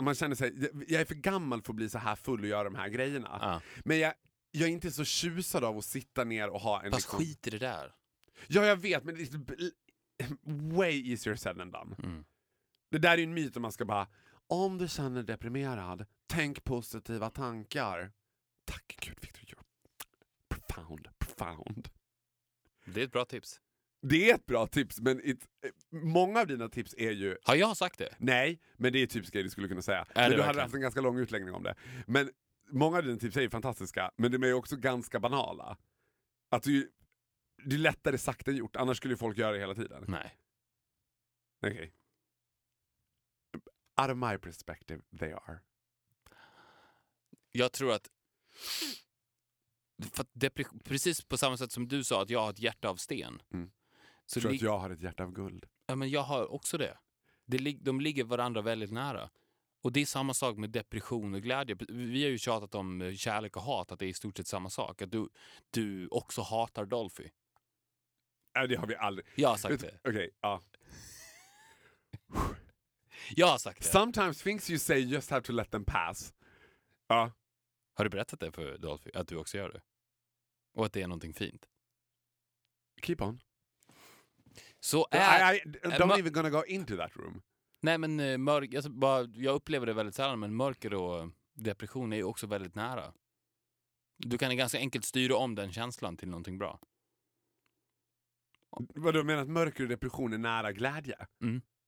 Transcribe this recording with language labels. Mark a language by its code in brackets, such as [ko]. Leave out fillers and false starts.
[sv] Man känner sig, jag är för gammal för att bli så här full och göra de här grejerna. Men jag är inte så tjusad av att sitta ner och ha en... Fast liksom... skit i det där. Ja, jag vet, men det är [en] way easier said than done. Mm. [sv] Det där är ju en myt om man ska bara, om du känner dig deprimerad, tänk positiva tankar. Tack Gud, [en] Victor, you're profound, profound. [sv] Det är ett bra tips. Det är ett bra tips, men många av dina tips är ju... Har jag sagt det? Nej, men det är typiska grejer du skulle kunna säga. Men du hade haft en ganska lång utläggning om det. Men många av dina tips är ju fantastiska, men de är ju också ganska banala. Att det är lättare sagt än gjort, annars skulle ju folk göra det hela tiden. Nej. Okej. Okay. [en] Out of my perspective, they are. [sv] Jag tror att... För det är precis på samma sätt som du sa, att jag har ett hjärta av sten. Mm. Så jag tror att jag har ett hjärta av guld. Ja, men jag har också det. De ligger varandra väldigt nära. Och det är samma sak med depression och glädje. Vi har ju tjatat om kärlek och hat, att det är i stort sett samma sak. Att du också hatar Dolphy. Nej, det har vi aldrig. Jag har sagt det. Okej, okay, ja. Jag har sagt det. [en] Sometimes things you say just have to let them pass. [sv] Ja. Har du berättat det för Dolphy, att du också gör det? Och att det är någonting fint? [en] Keep on. [sv] Så är, [en] don't even gonna go into that room. [sv] Nej, men jag upplever det väldigt sällan, men mörker och depression är ju också väldigt nära. Du kan ganska enkelt styra om den känslan till någonting bra. Vad du menar, att mörker och depression är nära glädje? Mm.